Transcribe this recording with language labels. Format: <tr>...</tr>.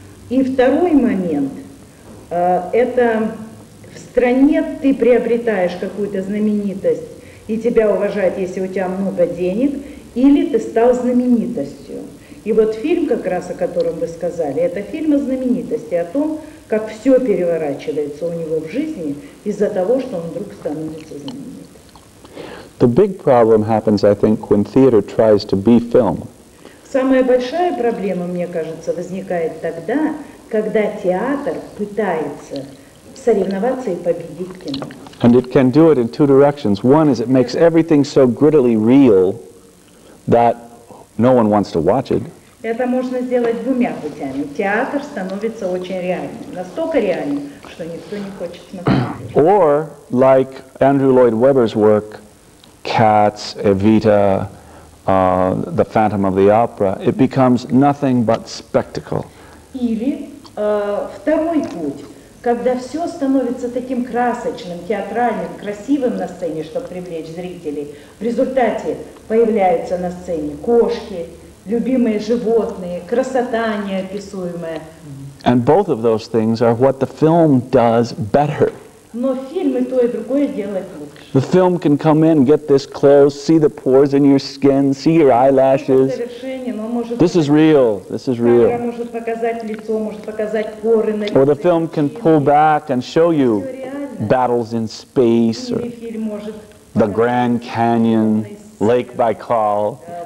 <ru>И второй момент, это в стране ты приобретаешь какую-то знаменитость и тебя уважают, если у тебя много денег, или ты стал знаменитостью. И вот фильм, как раз о котором вы сказали, это фильм о знаменитости, о том, как все переворачивается у него в жизни из-за того, что он вдруг становится знаменитым.</ru> <en>The big problem happens, I think, when theater tries to be film.</en> <ru>Самая большая проблема, мне кажется, возникает тогда, когда театр пытается соревноваться и победить кино.</ru> <en>And it can do it in two directions. One is it makes everything so grittily real that no one wants to watch it.</en> <ru>Это можно сделать двумя путями. Театр становится очень реальным, настолько реальным, что никто не хочет смотреть.</ru> <en>Or, like Andrew Lloyd Webber's work, Cats, Evita, The Phantom of the Opera, it becomes nothing but spectacle.</en> <ru>Или второй путь, когда все становится таким красочным, театральным, красивым на сцене, чтобы привлечь зрителей, в результате появляются на сцене кошки, любимые животные, красота неописуемая.</ru> <en>And both of those things are what the film does better.</en> <ru>Но фильм и то, и другое делает лучше.</ru> <en>The film can come in, get this close, see the pores in your skin, see your eyelashes. This is real, this is real. Or the film can pull back and show you battles in space, or the Grand Canyon, Lake Baikal.</en>